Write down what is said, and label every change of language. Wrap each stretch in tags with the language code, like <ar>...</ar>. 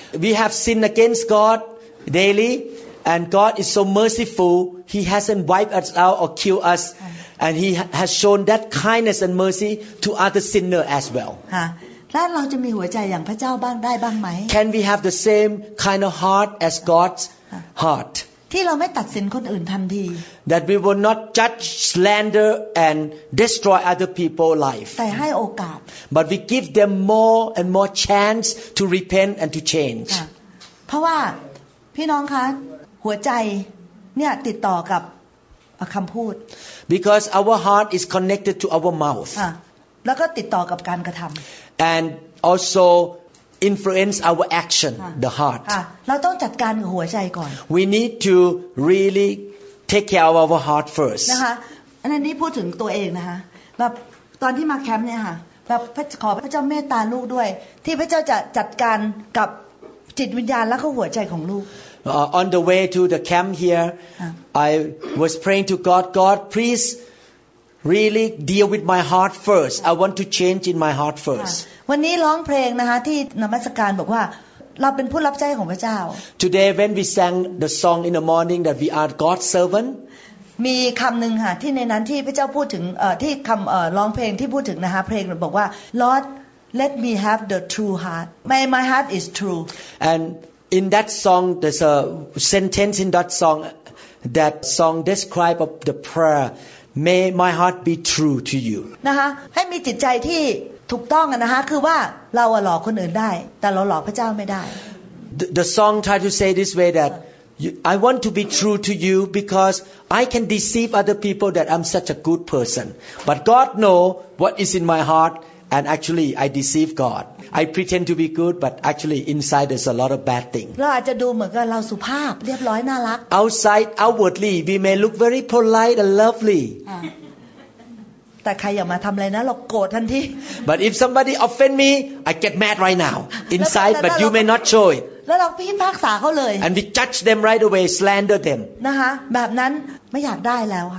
<en>We have sinned against God daily and God is so merciful He hasn't wiped us out or killed us and He has shown that kindness and mercy to other sinners as well</en> <th>ค่ะแล้วเราจะมีหัวใจอย่างพระเจ้าบ้างได้บ้างไหม</th> <en>Can we have the same kind of heart as God's heart</en> <th>ที่เราไม่ตัดสินคนอื่นทันที</th> <en>That we will not judge slander and destroy other people's life</en> <th>แต่ให้โอกาส</th> <en>But we give them more and more chance to repent and to change</en> <th>เพราะว่าพี่น้องคะหัวใจเนี่ยติดต่อกับคำพูด</th> <en>Because our heart is connected to our mouth</en> <th>แล้วก็ติดต่อกับการกระทำ</th> <en>And alsoinfluence our action the heart</en> <th>เราต้องจัดการหัวใจก่อน</th> <en>we need to really take care of our heart first</en> <th>นะคะอันนี้พูดถึงตัวเองนะคะแบบตอนที่มาแคมป์เนี่ยค่ะแบบขอพระเจ้าเมตตาลูกด้วยที่พระเจ้าจะจัดการกับจิตวิญญาณแล้วก็หัวใจของลูก</th> <en>on the way to the camp here I was praying to God God pleaseReally deal with my heart first. I want to change in my heart first.</en> <th>วันนี้ร้องเพลงนะคะที่นมัสการบอกว่าเราเป็นผู้รับใช้ของพระเจ้า</th> <en>Today when we sang the song in the morning that we are God's servant,</en> <th>มีคำหนึ่งค่ะที่ในนั้นที่พระเจ้าพูดถึงที่คำร้องเพลงที่พูดถึงนะคะเพลงบอกว่า</th> <en>Lord, let me have the true heart. My heart is true. And in that song, there's a sentence in that song. That song describes the prayer. May my heart be true to you.</en> <th>นะคะให้มีจิตใจที่ถูกต้องนะคะคือว่าเราหลอกคนอื่นได้แต่เราหลอกพระเจ้าไม่ได้</th> <en>The song try to say this way that I want to be true to you because I can deceive other people that I'm such a good person. But God know what is in my heart And actually, I deceive God. I pretend to be good, but actually inside there's a lot of bad things.</en> <th>เราอาจจะดูเหมือนกับเราสุภาพเรียบร้อยน่ารัก</th> <en>Outside, outwardly, we may look very polite and lovely.</en> <th>แต่ใครอย่ามาทำอะไรนะเราโกรธทันที</th> <en>But if somebody offend me, I get mad right now inside, but you may not show it.</en> <th>แล้วเราพิพากษาเขาเลย</th> <en>and we judge them right away slander them</en> <th>นะคะแบบนั้นไม่อยากได้แล้วค</th>